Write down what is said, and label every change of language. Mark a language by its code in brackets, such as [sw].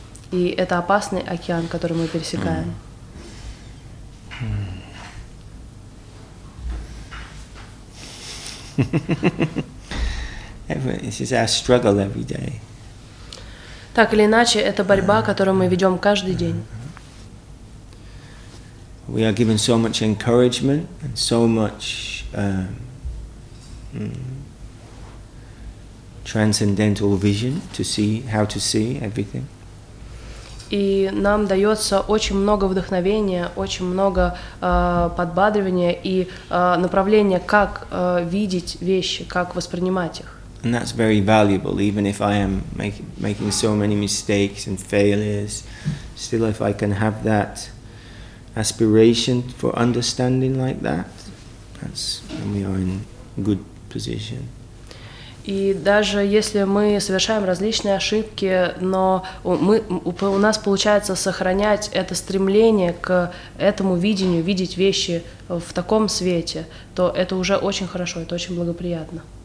[ru] И это опасный океан, который мы пересекаем. [en] This is our struggle every day. [ru] Так или иначе, это борьба, которую мы ведем каждый день. [en] We are given so much encouragement and so much transcendental vision to see how to see everything. [ru] И нам дается очень много вдохновения, очень много подбадривания и направления, как видеть вещи, как воспринимать их. [en] And that's very valuable, even if I am making so many mistakes and failures. Still, if I can have that aspiration for understanding like that, that's when we are in good position. [ru] И даже если мы совершаем различные ошибки, но у нас получается сохранять это стремление к этому видению, видеть вещи в таком свете, то это уже очень хорошо, это очень благоприятно.